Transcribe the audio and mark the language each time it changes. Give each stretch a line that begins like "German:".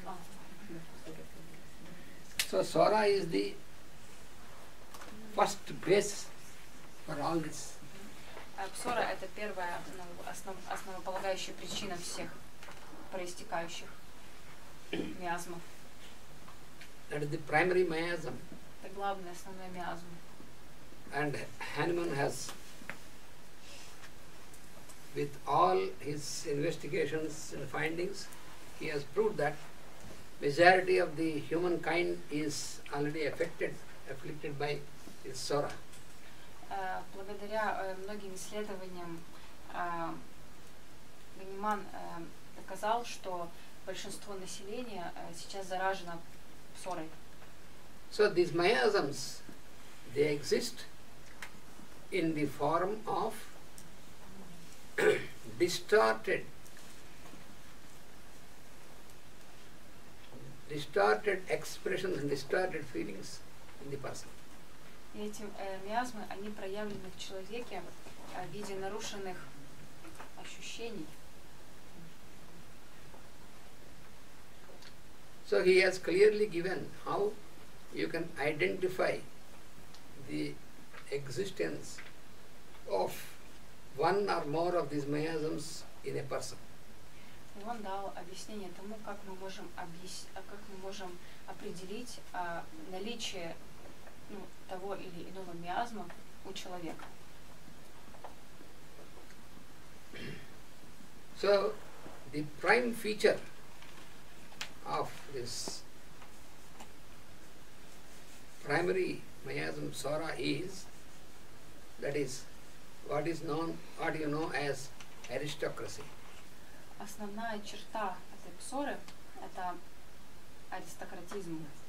English: туберкулез. So SORA is the first base for all this.
Russian: Псора – это первая основополагающая причина всех проистекающих миазмов.
English: That is the primary miasm.
Russian: Это главный основной миазм.
English: And Hahnemann has, with all his investigations and findings, he has proved that majority of the humankind is already afflicted by SORA.
Russian: Благодаря многим исследованиям Ганиман доказал, что большинство населения сейчас заражено СОРой.
English: So these miasms, they exist in the form of distorted expressions and distorted feelings in the person.
Russian: И эти миазмы, они проявлены в человеке в виде нарушенных ощущений.
English: So he has clearly given how you can identify the existence of one or more of these miasms in a person.
Russian: И он дал объяснение тому, как мы можем определить наличие того или иного миазма у человека.
English: So the prime feature of this primary miasm SORA is, that is, what is known, what you know as aristocracy.
Russian: Основная черта этой псоры – это аристократизм.